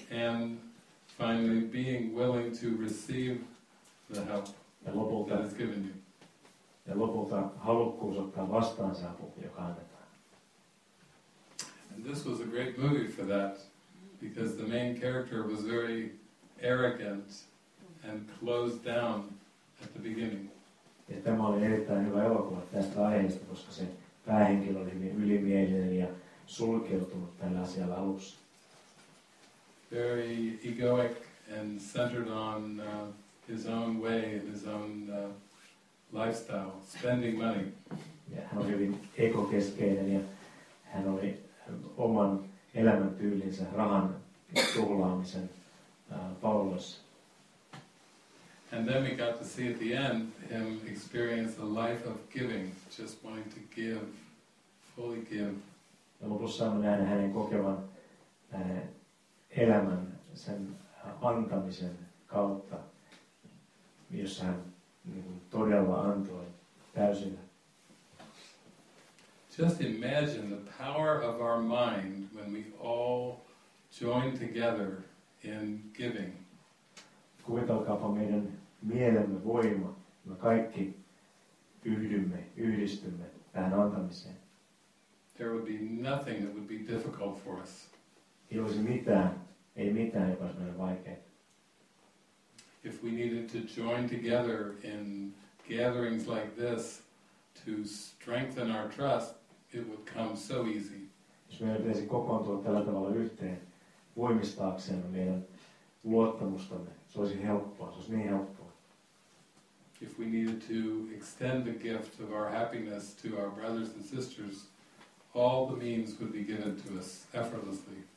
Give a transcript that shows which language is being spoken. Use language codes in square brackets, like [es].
[en] And finally, being willing to receive the help that is given you. [fi] Ja lopulta halukkuus ottaa vastaan se apu, joka annetaan. [en] And this was a great movie for that, because the main character was very arrogant and closed down at the beginning. [fi] Ja tämä oli erittäin hyvä elokuva tästä aiheesta, koska se päähenkilö oli hyvin ylimielinen ja sulkeutunut tällä asialla alussa. [en] Very egoic and centered on his own way and his own lifestyle, spending money. [fi] Yeah, hän oli hyvin ekokeskeinen ja hän oli oman elämäntyylinsä rahan tuhlaamisen pallossa. [en] And then we got to see at the end him experience a life of giving, just wanting to give, fully give. [fi] Ja lopussa me näemme hänen kokevan elämän sen antamisen kautta, jossa hän niin todella antoi täysin. [en] Just imagine the power of our mind when we all join together in giving. [fi] Kuvitelkaapa meidän mielemme voima, me kaikki yhdistymme tähän antamiseen. [en] There would be nothing that would be difficult for us. [fi] Ei olisi mitään. Ei mitään, joka olisi meille vaikea. [en] If we needed to join together in gatherings like this to strengthen our trust, it would come so easy. [fi] Jos meidän pitäisi kokoontua tällä tavalla yhteen voimistaaksemme meidän luottamustamme, se olisi helppoa, se olisi niin helppoa. [en] If we needed to extend the gift of our happiness to our brothers and sisters, all the means would be given to us effortlessly.